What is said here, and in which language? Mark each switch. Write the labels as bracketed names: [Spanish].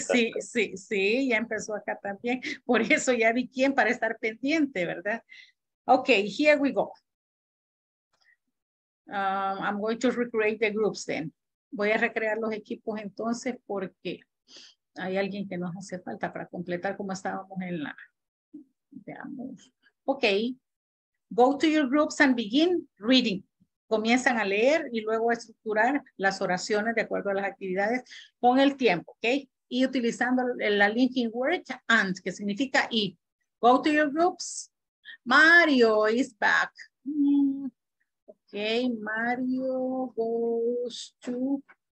[Spanish] Sí, sí, sí, sí, ya empezó acá también. Por eso ya vi quién para estar pendiente, ¿verdad? [English] Ok, here we go. I'm going to recreate the groups then. [Spanish] Voy a recrear los equipos entonces porque hay alguien que nos hace falta para completar como estábamos en la... Veamos. [English] Ok, go to your groups and begin reading. [Spanish] Comienzan a leer y luego a estructurar las oraciones de acuerdo a las actividades con el tiempo, ¿ok? Y utilizando la linking word and, que significa y. [English] Go to your groups. Mario is back. Ok, Mario goes to...